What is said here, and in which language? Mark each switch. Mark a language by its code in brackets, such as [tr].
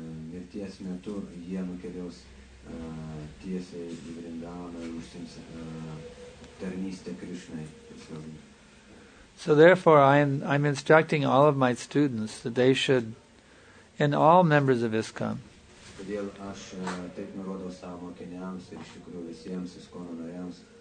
[lt] Mirties metu jie nukeliaus tiesiai į Vrindavaną ir užsims tarnystę Krishnai. [en] So therefore, I'm instructing all of my students that they should, and all members of ISKCON, [lt] todėl aš taip nurodau savo mokiniams ir iš tikrųjų visiems ISKCONo nariams,